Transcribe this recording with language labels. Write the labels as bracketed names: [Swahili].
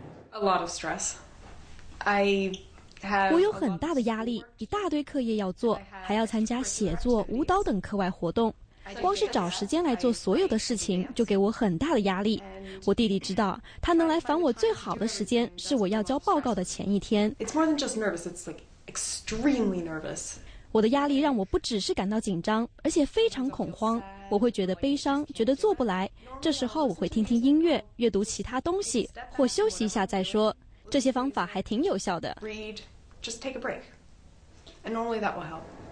[English] A lot of stress. I. [Chinese] 我有很大的压力，一大堆课业要做，还要参加写作、舞蹈等课外活动。光是找时间来做所有的事情，就给我很大的压力。我弟弟知道，他能来烦我最好的时间，是我要交报告的前一天。 [English] It's more than just nervous, it's like extremely nervous. [Chinese] 我的压力让我不只是感到紧张，而且非常恐慌。我会觉得悲伤，觉得做不来。这时候我会听听音乐，阅读其他东西，或休息一下再说。这些方法还挺有效的。 [English] Just take a break. And normally that will help.